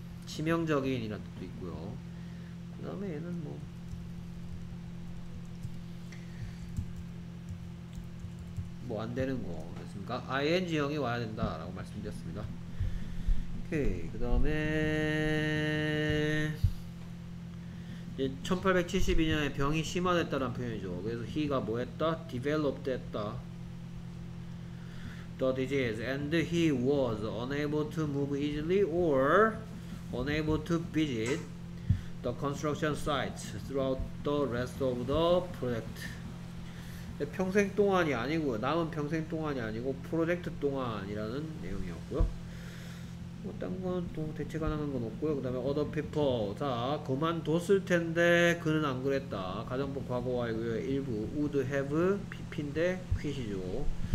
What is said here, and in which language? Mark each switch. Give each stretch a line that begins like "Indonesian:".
Korean: 치명적인 이란 뜻도 있고요. 그 다음에 얘는 뭐 뭐 안 되는 거 됐습니까? ing형이 와야 된다 라고 말씀드렸습니다. 오케이. 그 다음에 1872년에 병이 심화됐다는 표현이죠. 그래서 he가 뭐 했다? develop 됐다.
English: The disease and he was unable to move easily or unable to visit the construction sites throughout the rest of the project.
Korean: 평생 동안이 아니고, 남은 평생 동안이 아니고 프로젝트 동안이라는 내용이었고요. 뭐 딴 건 또 대체 가능한 건 없고요. 그 다음에 other people. 자, 그만뒀을 텐데 그는 안 그랬다. 가정법 과거와이고요. 일부 would have, pp인데 quit이죠.